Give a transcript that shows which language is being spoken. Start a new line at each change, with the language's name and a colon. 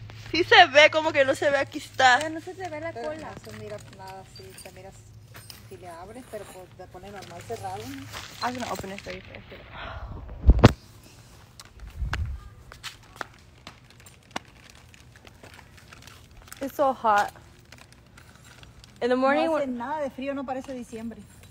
Spanish: Sí se ve, como que no se ve, aquí está. Ya no se ve la cola. No se mira nada, sí, se mira si le abres, pero te pone normal cerrado.
English: I'm going to open it for you first. It's so hot. In the morning,
Spanish: no hace nada de frío, no parece diciembre.